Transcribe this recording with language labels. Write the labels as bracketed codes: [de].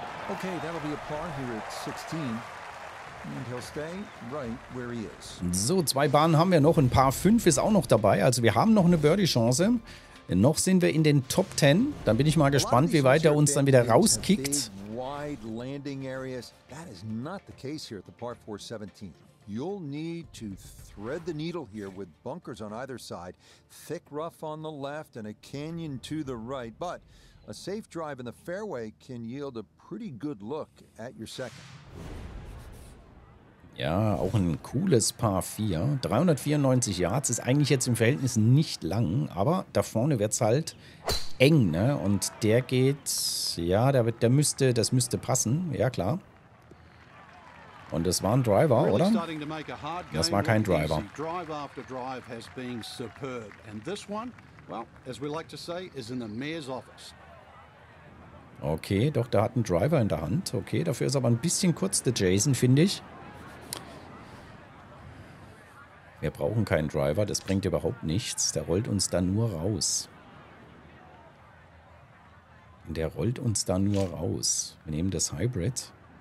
[en] Okay, that'll be a par here at 16. And he'll stay right where he is. [de] So, zwei Bahnen haben wir noch. Ein paar fünf ist auch noch dabei. Also wir haben noch eine Birdie-Chance. Noch sind wir in den Top 10. Dann bin ich mal gespannt, wie weit er uns dann wieder rauskickt. [en] Wide landing areas. That is not the case here at the par 4 17. You'll need to thread the needle here with bunkers on either side, thick rough on the left and a canyon to the right. But a safe drive in the fairway can yield a pretty good look at your second. [de] Ja, auch ein cooles Par 4. 394 Yards ist eigentlich jetzt im Verhältnis nicht lang, aber da vorne wird es halt eng, ne? Und der geht, ja, das müsste passen, ja klar. Und das war ein Driver, oder? Das war kein Driver. [en] Drive after drive has been superb. And this one, well, as we like to say, is in the mayor's office. [de] Okay, doch, der hat einen Driver in der Hand. Okay, dafür ist aber ein bisschen kurz der Jason, finde ich. Wir brauchen keinen Driver, das bringt überhaupt nichts. Der rollt uns da nur raus. Wir nehmen das Hybrid.